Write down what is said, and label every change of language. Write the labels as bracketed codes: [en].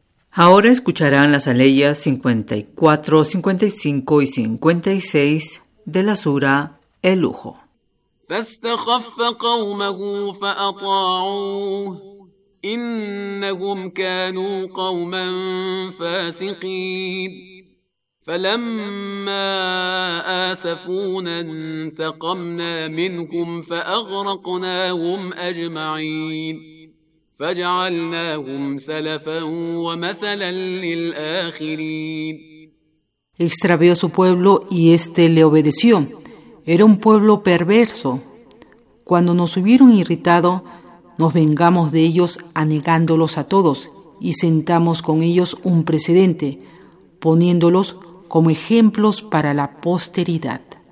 [es] Ahora escucharán las aleyas 54, 55 y 56 de la sura El Lujo. [ar] فاستخف قومه فأطاعوه إنهم كانوا قوما فاسقين فلما آسفونا انتقمنا منهم فأغرقناهم أجمعين فجعلناهم سلفا ومثلا للآخرين. [es] Extravió su pueblo y este le obedeció. Era un pueblo perverso. Cuando nos hubieron irritado, nos vengamos de ellos anegándolos a todos y sentamos con ellos un precedente, poniéndolos como ejemplos para la posteridad.